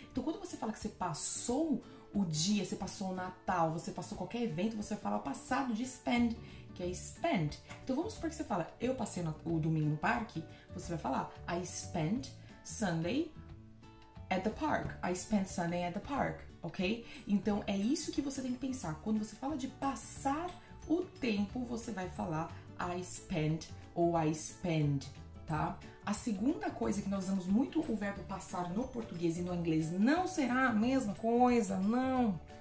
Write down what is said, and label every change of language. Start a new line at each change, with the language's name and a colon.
Portuguese: Então, quando você fala que você passou o dia, você passou o Natal, você passou qualquer evento, você fala passado de spend, que é spend. Então, vamos supor que você fala, eu passei o domingo no parque, você vai falar,
English: I spent Sunday at the park. I spent Sunday at the park, ok?
Portuguese: Então, é isso que você tem que pensar. Quando você fala de passar o tempo, você vai falar I spent ou I spend. Tá? A segunda coisa que nós usamos muito o verbo passar no português e no inglês não será a mesma coisa, não.